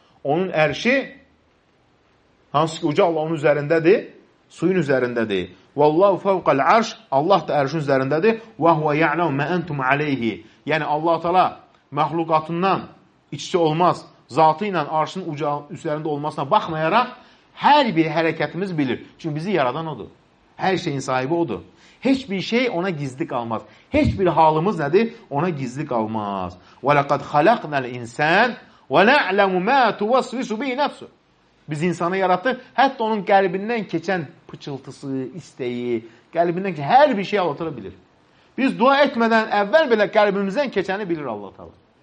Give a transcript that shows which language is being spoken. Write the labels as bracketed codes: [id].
[az] Onun ərşi hansı ki, uca Allahın üzərindədir, suyun üzərindədir. [ar] Vallahu fəvqəl ərş, [az] Allah da ərşin üzərindədir. [ar] Və huvə yə'ləm mə əntum əleyhi. [az] Yəni, Allah-u Teala məhlukatından içi olmaz, zatı ilə ərşin üzərində olmasına baxmayaraq, hər bir hərəkətimiz bilir. Çünki bizi yaradan odur. Hər şeyin sahibi odur. Heç bir şey ona gizli qalmaz. Heç bir halımız nədir? Ona gizli qalmaz. [ar] Və ləqəd xaləqnəl insən və nə'ləmu mə tuvasvisu bi nəfsu. [az] Biz insanı yaratdıq, hətta onun qəlbindən keçən pıçıltısı, istəyi, qəlbindən keçən hər bir şey Allah-u Teala bilir. Biz dua etmədən əvvəl belə qəlbimizdən keçəni bilir Allah-u Teala.